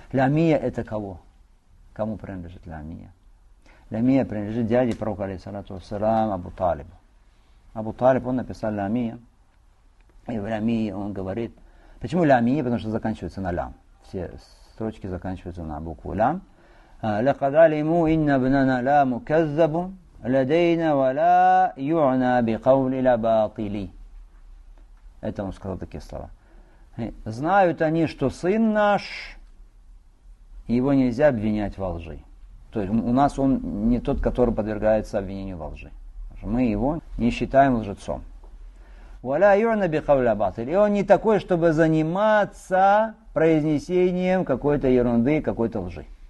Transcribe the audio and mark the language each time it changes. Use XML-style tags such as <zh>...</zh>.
<ru>Лямия это кого? Кому принадлежит лямия? Лямия принадлежит дяде пророка, алейхиссалату вассалам, Абу Талибу. Абу Талиб, он написал лямия. И в лямии он говорит, почему лямия? Потому что заканчивается на лям. Все строчки заканчиваются на букву лям.</ru> <ar>لقد علموا إن ابننا لا مكذب لدينا ولا يعنى بقول لباطلي.</ar> <ru>Это он сказал такие слова. Знают они, что сын наш, его нельзя обвинять во лжи. То есть у нас он не тот, который подвергается обвинению во лжи. Мы его не считаем лжецом.</ru> <ar>Валя юна бихавля батыль.</ar> <ru>И он не такой, чтобы заниматься произнесением какой-то ерунды, какой-то лжи.</ru>